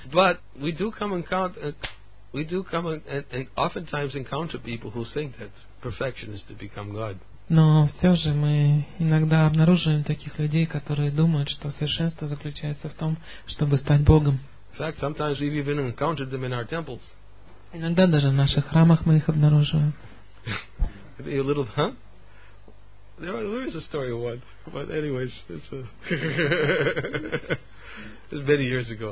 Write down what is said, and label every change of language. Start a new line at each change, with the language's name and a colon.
English: But we do come and we do come and oftentimes encounter people who think that perfection is to become God.
Russian: Но все же мы иногда обнаруживаем таких людей, которые думают, что совершенство заключается в том, чтобы стать Богом.
English: In fact, sometimes we've even encountered them in our temples.
Russian: Иногда даже в наших храмах мы их обнаруживаем.
English: A little, huh? There is a story of one, but anyways, it's a it was many years ago.